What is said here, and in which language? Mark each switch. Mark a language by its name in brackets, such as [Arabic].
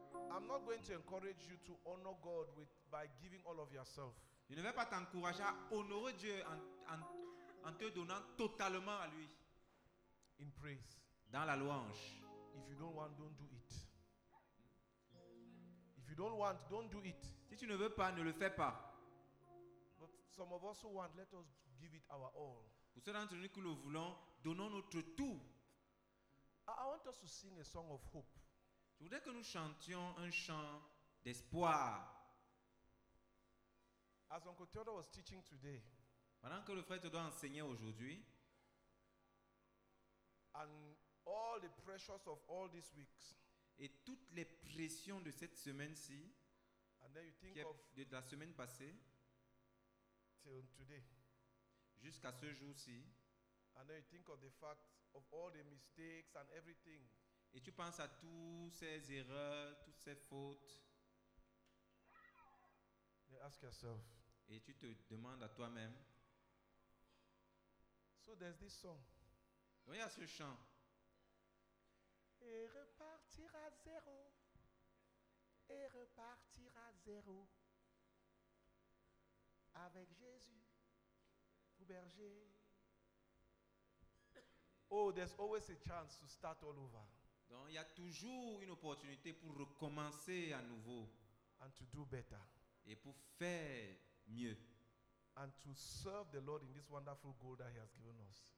[English] I'm not going to encourage you to honor God with by giving all of yourself. [French] Je ne vais pas t'encourager à honorer Dieu en te donnant totalement à lui. [English] In praise. [French] Dans la louange. [English] If you don't want, don't do it. If you don't want, don't do it. [French] Si tu ne veux pas, ne le fais pas. [English] But some of us who want, let us give it our all. [French] Pour ceux d'entre nous qui le voulons, donnons notre tout. [English] I want us to sing a song of hope. [French] Je voudrais que nous chantions un chant d'espoir. [English] As Uncle Theodore was teaching today, [French] pendant que le frère Theodore enseignait aujourd'hui, [English] and all the pressures of all these weeks, [French] et toutes les pressions de cette semaine-ci, [English] and then you think of [French] de la semaine passée, [English] till today, [French] jusqu'à ce jour-ci. [English] And then you think of the fact of all the mistakes and everything. [French] Et tu penses à toutes ces erreurs, toutes ces fautes. [English] You ask yourself. [French] Et tu te demandes à toi-même. [English] So there's this song. [French] Donc il y a ce chant. Et repartir à zéro. Et repartir à zéro. Avec Jésus. Berger. [English] Oh, there's always a chance to start all over. [French] Donc, il y a toujours une opportunité pour recommencer à nouveau. [English] And to do better. [French] Et pour faire mieux. [English] And to serve the Lord in this wonderful goal that He has given us.